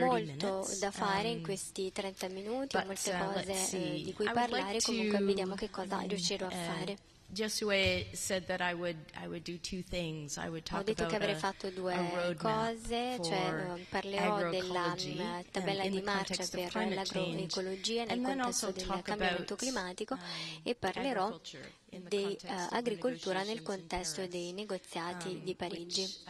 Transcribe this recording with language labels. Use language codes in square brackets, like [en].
[it] Ho molto da fare in questi 30 minuti, molte cose di cui parlare, comunque vediamo che cosa riuscirò a fare. [en] Josue said that I would do two things. I would talk about a roadmap for agroecology, [it] cioè parlerò della tabella di marcia per l'agroecologia nel contesto del cambiamento climatico, e parlerò di agricoltura nel contesto dei negoziati di Parigi.